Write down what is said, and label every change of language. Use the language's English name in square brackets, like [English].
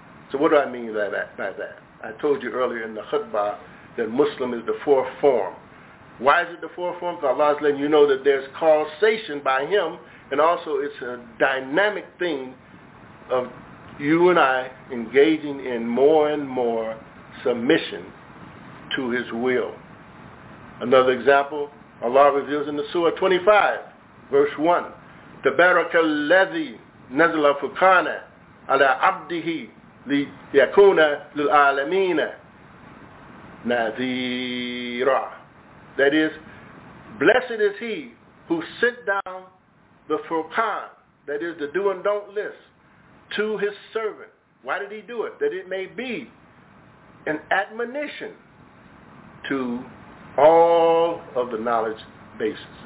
[English] So what do I mean by that? I told you earlier in the khutbah that Muslim is the fourth form. Why is it the fourth form? Because Allah is letting you know that there's causation by him, and also it's a dynamic thing of you and I engaging in more and more submission to his will. Another example, Allah reveals in the Surah 25, verse 1, [Arabic] تَبَارَكَ الَّذِي نَزَلَ فُقَانَ عَلَىٰ عَبْدِهِ لِيَكُونَ لِلْعَالَمِينَ نَذِيرًا. [English] That is, blessed is he who sent down the Furqan, that is the do and don't list, to his servant. Why did he do it? That it may be an admonition to all of the knowledge bases.